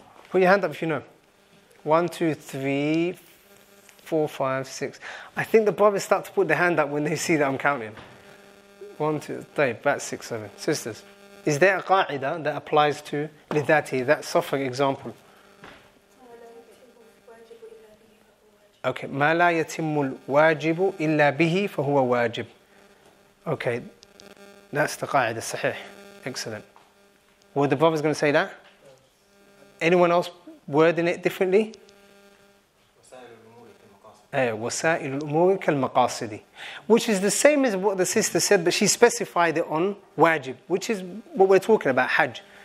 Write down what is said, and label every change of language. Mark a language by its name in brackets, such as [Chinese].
[English] Put your hand up if you know. 1, 2, 3, 4, 5, 6. I think the brothers start to put their hand up when they see that I'm counting. 1, 2, 3, about 6, 7. Sisters, is there a qa'ida that applies to lidati, that suffering example? [Arabic] Okay, ما لا يتم الواجب إلا به فهو واجب. [English] Okay, that's the qa'ida, sahih. Excellent. Were the brothers going to say that? Anyone else wording it differently? [Arabic] وسائل الأمور كالمقاصد, [English] which is the same as what the sister said, but she specified it on wajib, which is what we're talking about, Hajj.